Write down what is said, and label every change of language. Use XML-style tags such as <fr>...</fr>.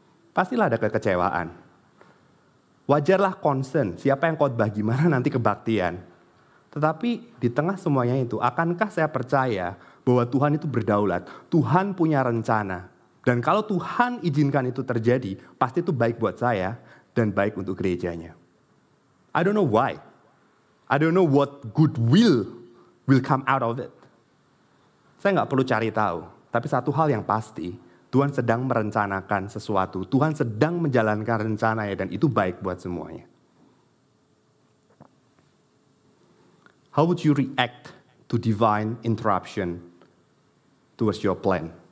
<id>Pastilah ada kekecewaan. Wajarlah concern, siapa yang khotbah gimana nanti kebaktian. Tetapi di tengah semuanya itu, akankah saya percaya bahwa Tuhan itu berdaulat, Tuhan punya rencana. Dan kalau Tuhan izinkan itu terjadi, pasti itu baik buat saya dan baik untuk gerejanya.</id> <en>I don't know why. I don't know what good will come out of it.</en> <id>Saya gak perlu cari tahu, tapi satu hal yang pasti, Tuhan sedang merencanakan sesuatu. Tuhan sedang menjalankan rencananya dan itu baik buat semuanya.</id> <en>How would you react to divine interruption towards your plan?</en>